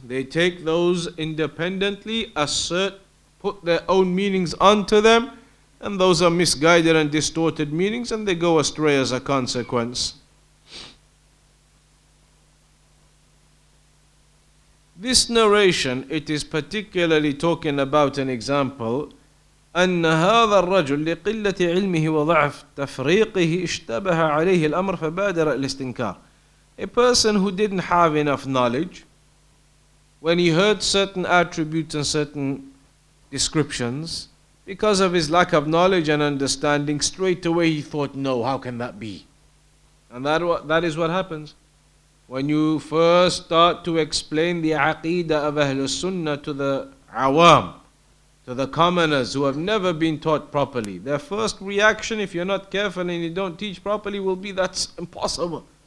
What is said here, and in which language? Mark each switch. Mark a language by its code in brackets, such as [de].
[en] They take those independently, assert, put their own meanings onto them, and those are misguided and distorted meanings, and they go astray as a consequence. This narration, it is particularly talking about an example. [ar] أن هذا الرجل لقلة علمه وضعف تفريقه اشتبه عليه الأمر فبادر الاستنكار. [en] A person who didn't have enough knowledge, when he heard certain attributes and certain descriptions, because of his lack of knowledge and understanding, straight away he thought, no, how can that be? And that is what happens. When you first start to explain the aqeedah of Ahlul Sunnah to the awam, to the commoners who have never been taught properly, their first reaction, if you're not careful and you don't teach properly, will be, that's impossible.